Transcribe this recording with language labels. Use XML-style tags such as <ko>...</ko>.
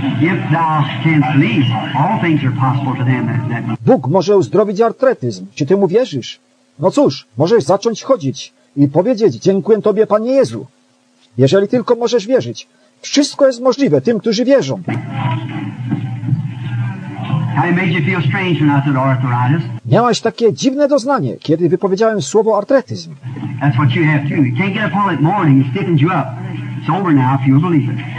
<en>If thou canst believe, all things are possible to them that believe.</en> <pl>Bóg może uzdrowić artretyzm. Czy ty mu wierzysz? No cóż, możesz zacząć chodzić i powiedzieć, dziękuję tobie, Panie Jezu. Jeżeli tylko możesz wierzyć, wszystko jest możliwe tym, którzy wierzą.</pl> <en>I made you feel strange when I said arthritis.</en> <pl>Miałaś takie dziwne doznanie, kiedy wypowiedziałem słowo artretyzm.</pl> <en>That's what you have too. You can't get up all that morning. It stiffens you up. It's over now if you believe it.</en>